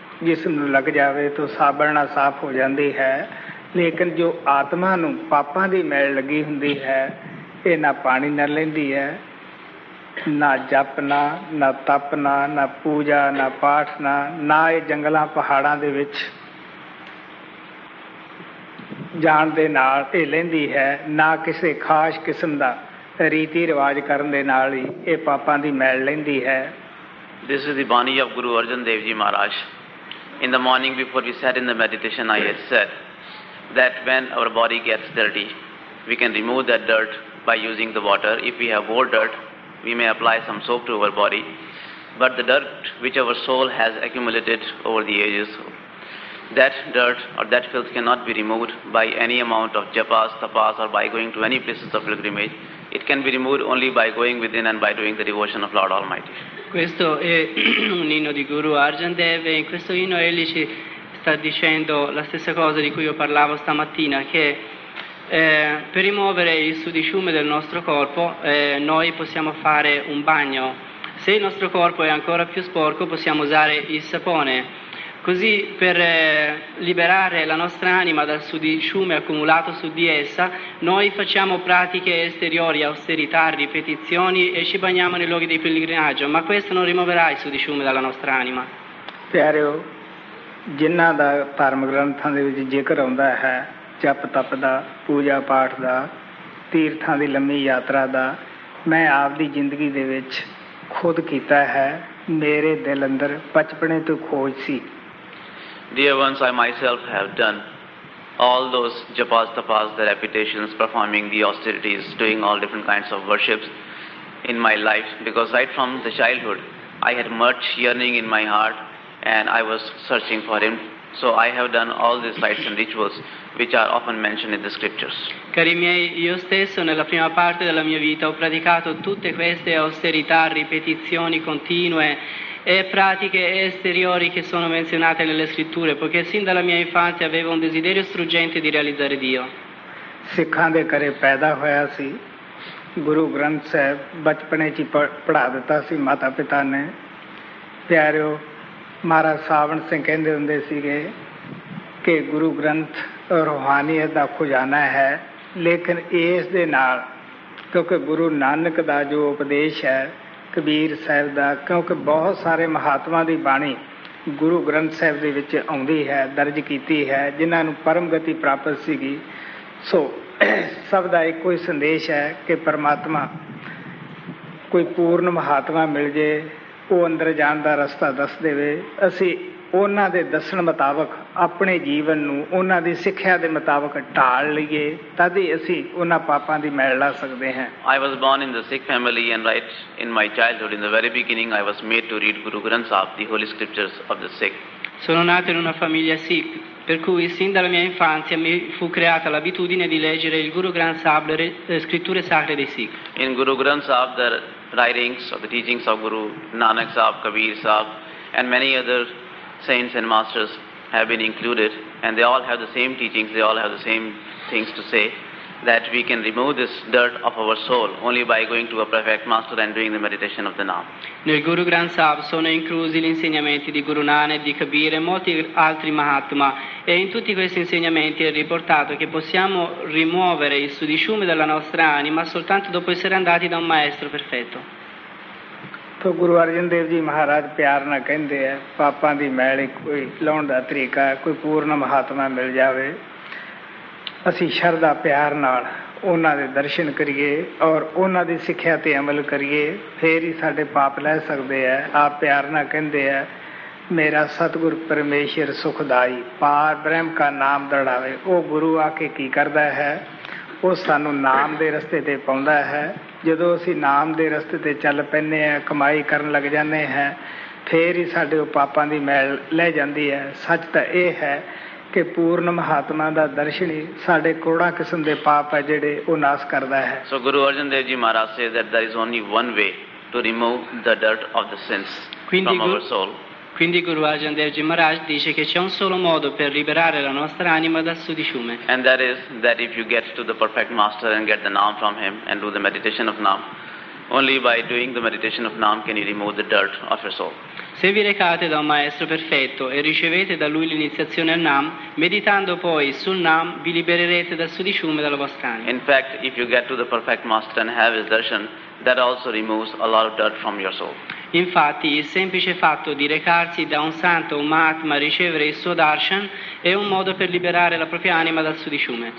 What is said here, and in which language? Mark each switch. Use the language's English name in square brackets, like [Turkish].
[Punjabi] jism nu lag jave to sabun na saaf ho jandi hai ਲੇਕਿਨ ਜੋ ਆਤਮਾ ਨੂੰ ਪਾਪਾਂ ਦੀ ਮੈਲ ਲੱਗੀ ਹੁੰਦੀ ਹੈ ਇਹ ਨਾ ਪਾਣੀ ਨਾ ਲੈਂਦੀ ਹੈ ਨਾ ਜਪ ਨਾ ਨਾ ਤਪ ਨਾ ਨਾ ਪੂਜਾ ਨਾ ਪਾਠ ਨਾ ਨਾ ਇਹ ਜੰਗਲਾਂ ਪਹਾੜਾਂ ਦੇ ਵਿੱਚ ਜਾਣ ਦੇ ਨਾਲ ਇਹ ਲੈਂਦੀ ਹੈ ਨਾ ਕਿਸੇ ਖਾਸ ਕਿਸਮ ਦਾ ਰੀਤੀ ਰਿਵਾਜ ਕਰਨ ਦੇ ਨਾਲ ਹੀ ਇਹ ਪਾਪਾਂ ਦੀ ਮੈਲ ਲੈਂਦੀ ਹੈ [English] This is the Bani of Guru Arjan Dev ji Maharaj in the morning before we sat in the meditation I had said that when our body gets dirty, we can remove that dirt by using the water. If we have old dirt, we may apply some soap to our body. But the dirt which our soul has accumulated over the ages, that dirt or that filth cannot be removed by any amount of japas, tapas, or by going to any places of pilgrimage. It can be removed only by going within and by doing the devotion of Lord Almighty. [Italian] Questo è un inno di Guru Arjan Dev. In questo inno egli ci sta dicendo la stessa cosa di cui io parlavo stamattina, che per rimuovere il sudiciume del nostro corpo noi possiamo fare un bagno. Se il nostro corpo è ancora più sporco possiamo usare il sapone. Così per liberare la nostra anima dal sudiciume accumulato su di essa, noi facciamo pratiche esteriori, austerità, ripetizioni e ci bagniamo nei luoghi di pellegrinaggio, ma questo non rimuoverà il sudiciume dalla nostra anima. Chiaro. [Punjabi] ਜਿਨ੍ਹਾਂ ਦਾ ਧਾਰਮਿਕ ਗ੍ਰੰਥਾਂ ਦੇ ਵਿੱਚ ਜ਼ਿਕਰ ਆਉਂਦਾ ਹੈ ਜਪ ਤਪ ਦਾ ਪੂਜਾ ਪਾਠ ਦਾ ਤੀਰਥਾਂ ਦੀ ਲੰਮੀ ਯਾਤਰਾ ਦਾ ਮੈਂ ਆਪਦੀ ਜ਼ਿੰਦਗੀ ਦੇ ਵਿੱਚ ਖੁਦ ਕੀਤਾ ਹੈ ਮੇਰੇ ਦਿਲ ਅੰਦਰ ਬਚਪਨੇ ਤੋਂ ਖੋਜ ਸੀ [English] Dear ones I myself have done all those japas tapas the repetitions performing the austerities doing all different kinds of worships in my life because right from the childhood I had much yearning in my heart and I was searching for him. So I have done all these rites and rituals which are often mentioned in the scriptures. [Italian] Cari miei, io stesso nella prima parte della mia vita ho praticato tutte queste austerità, ripetizioni continue e pratiche esteriori che sono menzionate nelle scritture, poiché sin dalla mia infanzia avevo un desiderio struggente di realizzare Dio. [Punjabi] Sikhan de kare paida hoya si, Guru Granth Sahib bachpane ci padha ditta si mata pita ne, pyareo ਮਹਾਰਾਜ ਸਾਵਣ ਸਿੰਘ ਕਹਿੰਦੇ ਹੁੰਦੇ ਸੀਗੇ ਕਿ ਗੁਰੂ ਗ੍ਰੰਥ ਰੂਹਾਨੀਅਤ ਦਾ ਖਜ਼ਾਨਾ ਹੈ, ਲੇਕਿਨ ਇਸ ਦੇ ਨਾਲ ਕਿਉਂਕਿ ਗੁਰੂ ਨਾਨਕ ਦਾ ਜੋ ਉਪਦੇਸ਼ ਹੈ ਕਬੀਰ ਸਾਹਿਬ ਦਾ, ਕਿਉਂਕਿ ਬਹੁਤ ਸਾਰੇ ਮਹਾਤਮਾ ਦੀ ਬਾਣੀ ਗੁਰੂ ਗ੍ਰੰਥ ਸਾਹਿਬ ਦੇ ਵਿੱਚ ਆਉਂਦੀ ਹੈ, ਦਰਜ ਕੀਤੀ ਹੈ, ਜਿਨ੍ਹਾਂ ਨੂੰ ਪਰਮ ਗਤੀ ਪ੍ਰਾਪਤ ਸੀਗੀ। ਸੋ ਸਭ ਦਾ ਇੱਕੋ ਹੀ ਸੰਦੇਸ਼ ਹੈ ਕਿ ਪਰਮਾਤਮਾ ਕੋਈ ਪੂਰਨ ਮਹਾਤਮਾ ਮਿਲ ਜੇ, ਉਹ ਅੰਦਰ ਜਾਣ ਦਾ ਰਸਤਾ ਦੱਸ ਦੇਵੇ, ਅਸੀਂ ਉਹਨਾਂ ਦੇ ਦੱਸਣ ਮੁਤਾਬਕ ਆਪਣੇ ਜੀਵਨ ਨੂੰ ਉਹਨਾਂ ਦੀ ਸਿੱਖਿਆ ਦੇ ਮੁਤਾਬਕ ਢਾਲ ਲਈਏ, ਤਦ ਹੀ ਅਸੀਂ ਉਹਨਾਂ ਪਾਪਾਂ ਦੀ ਮੈਲ ਲਾ ਸਕਦੇ ਹਾਂ। [English] I was born in the Sikh family and right in my childhood in the very beginning I was made to read Guru Granth Sahib the holy scriptures of the Sikh. [Italian] Sono nato in una famiglia Sikh, per cui sin dalla mia infanzia mi fu creata l'abitudine di leggere il Guru Granth Sahib, le scritture sacre dei Sikh. [English] In Guru Granth Sahib, the writings or the teachings of Guru Nanak Sahib, Kabir Sahib and many other saints and masters have been included, and they all have the same teachings, they all have the same things to say, that we can remove this dirt of our soul only by going to a perfect master and doing the meditation of the Naam. [Italian] Nel Guru Granth Sahib sono inclusi gli insegnamenti di Guru Nanak, di Kabir e molti altri Mahatma, e in tutti questi insegnamenti è riportato che possiamo rimuovere il sudiciume dalla nostra anima soltanto dopo essere andati da un maestro perfetto. [Punjabi] To Guru Arjan Dev Ji Maharaj pyar na kende hai papa di mail koi laun da tareeka hai, koi purna mahatma mil jave, ਅਸੀਂ ਸ਼ਰਧਾ ਪਿਆਰ ਨਾਲ ਉਹਨਾਂ ਦੇ ਦਰਸ਼ਨ ਕਰੀਏ ਔਰ ਉਹਨਾਂ ਦੀ ਸਿੱਖਿਆ 'ਤੇ ਅਮਲ ਕਰੀਏ, ਫਿਰ ਹੀ ਸਾਡੇ ਪਾਪ ਲੈ ਸਕਦੇ ਹੈ। ਆਪ ਪਿਆਰ ਨਾਲ ਕਹਿੰਦੇ ਹੈ, ਮੇਰਾ ਸਤਿਗੁਰ ਪਰਮੇਸ਼ਰ ਸੁਖਦਾਈ ਪਾਰ ਬ੍ਰਹਮ ਕਾ ਨਾਮ ਦੜਾਵੇ। ਉਹ ਗੁਰੂ ਆ ਕੇ ਕੀ ਕਰਦਾ ਹੈ, ਉਹ ਸਾਨੂੰ ਨਾਮ ਦੇ ਰਸਤੇ 'ਤੇ ਪਾਉਂਦਾ ਹੈ। ਜਦੋਂ ਅਸੀਂ ਨਾਮ ਦੇ ਰਸਤੇ 'ਤੇ ਚੱਲ ਪੈਂਦੇ ਹਾਂ, ਕਮਾਈ ਕਰਨ ਲੱਗ ਜਾਂਦੇ ਹੈ, ਫਿਰ ਹੀ ਸਾਡੇ ਉਹ ਪਾਪਾਂ ਦੀ ਮੈਲ ਲੈ ਜਾਂਦੀ ਹੈ। ਸੱਚ ਤਾਂ ਇਹ ਹੈ ਕਿ ਪੂਰਨ ਮਹਾਤਮਾ ਦਾ ਦਰਸ਼ਨ ਹੀ ਸਾਡੇ ਕਰੋੜਾਂ ਕਿਸਮ ਦੇ ਪਾਪ ਹੈ ਜਿਹੜੇ ਉਹ ਨਾਸ ਕਰਦਾ ਹੈ। [English] So Guru Arjan Dev ji Maharaj say that there is only one way to remove the dirt of the sins from our soul. [Italian] Quindi Guru Arjan Dev Ji Maharaj dice che c'è un solo modo per liberare la nostra anima dal sudiciume. [English] And that is that if you get to the perfect master and get the naam from him and do the meditation of naam, only by doing the meditation of naam can you remove the dirt of your soul. [Italian] Se vi recate da un maestro perfetto e ricevete da lui l'iniziazione al Nam, meditando poi sul Nam vi libererete dal sudiciume dalla vostra anima. [English] In fact, if you get to the perfect master and have his darshan, that also removes a lot of dirt from your soul. [Italian] Infatti, il semplice fatto di recarsi da un santo, un mahatma, ricevere il suo darshan è un modo per liberare la propria anima dal sudiciume.